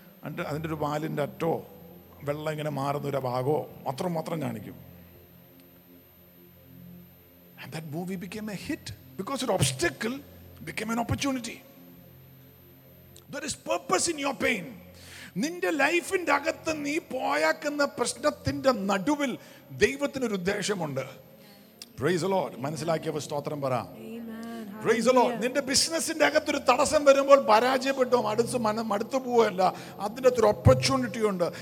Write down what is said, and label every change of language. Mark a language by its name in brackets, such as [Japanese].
[Malayalam] അതിൻ്റെ ഒരു വാലിൻ്റെ അറ്റോ വെള്ളം ഇങ്ങനെ മാറുന്ന ഒരു ഭാഗമോ അത്ര മാത്രം കാണിക്കും. [English] And that movie became a hit because an obstacle became an opportunity. There is purpose in your pain. [Malayalam] നിന്റെ ലൈഫിന്റെ അകത്ത് നീ പോയാക്കുന്ന പ്രശ്നത്തിന്റെ നടുവിൽ ദൈവത്തിന് ഒരു ഉദ്ദേശമുണ്ട്. Praise the Lord. മനസ്സിലാക്കിയവ സ്തോത്രം പറ. Praise the Lord. നിന്റെ ബിസിനസിന്റെ അകത്ത് ഒരു തടസ്സം വരുമ്പോൾ പരാജയപ്പെട്ടു അടുത്ത് മനം അടുത്തു പോവുകയല്ല, അതിൻ്റെ അത്ര ഓപ്പർച്യൂണിറ്റി ഉണ്ട്.